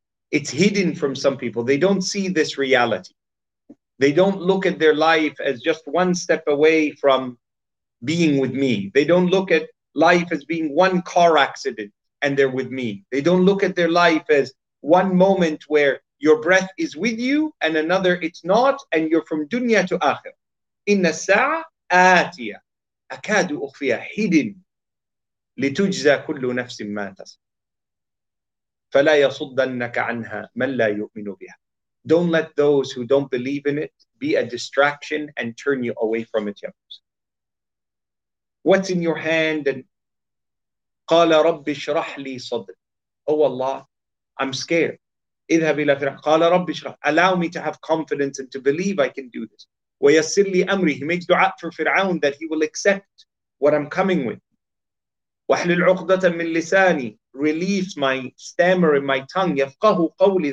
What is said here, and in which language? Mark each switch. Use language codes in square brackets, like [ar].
[en] It's hidden from some people. They don't see this reality. They don't look at their life as just one step away from being with me. They don't look at life as being one car accident and they're with me. They don't look at their life as one moment where your breath is with you and another it's not, and you're from dunya to akhir. [ar] إِنَّ السَّاعَةَ آتِيَةً أَكَادُ أُخْفِيهَا [en] hidden. [ar] لِتُجْزَى كُلُّ نَفْسٍ مَا تَسْعَى فَلَا يَصُدَّنَّكَ عَنْهَا مَنْ لَا يُؤْمِنُ بِهَا. [en] Don't let those who don't believe in it be a distraction and turn you away from it. What's in your hand? And [ar] قَالَ رَبِّ شْرَحْ لِي صَدْرِ. [en] Oh Allah, I'm scared. [ar] اِذْهَبْ إِلَى فِرْعَوْنَ. قَالَ رَبِّ شْرَحْ. [en] Allow me to have confidence and to believe I can do this. [ar] وَيَسِّرْ لِي أَمْرِي. [en] He makes dua for Fir'aun that he will accept what I'm coming with. [ar] وَحْلِلْ عُقْدَةً مِنْ لِسَانِي. [en] Release my stammer in my tongue. [ar] يَفْقَهُ قَوْلِي.